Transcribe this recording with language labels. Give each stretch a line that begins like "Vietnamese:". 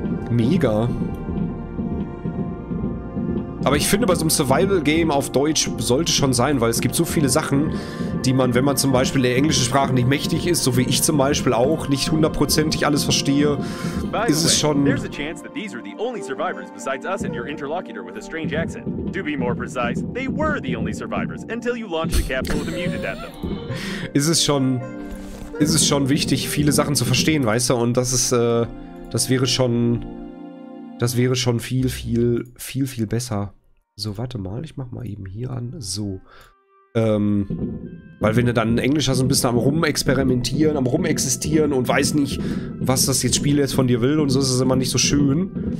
German: Mega. Aber ich finde, bei so einem Survival-Game auf Deutsch sollte schon sein, weil es gibt so viele Sachen, die man, wenn man zum Beispiel der englische Sprache nicht mächtig ist, so wie ich zum Beispiel auch, nicht hundertprozentig alles verstehe, ist es schon...
English: There's a chance that these are the only survivors besides us and your interlocutor with a strange accent. To be more precise, they were the only survivors until you launched the capsule with a mutant at them.
German: Ist es schon wichtig, viele Sachen zu verstehen, weißt du? Und das ist, das wäre schon viel, viel, viel, viel besser. So, warte mal, ich mach mal eben hier an. So. Weil wenn du dann in Englisch hast, ein bisschen am Rumexperimentieren, am Rumexistieren und weiß nicht, was das jetzt Spiel jetzt von dir will und so, ist es immer nicht so schön.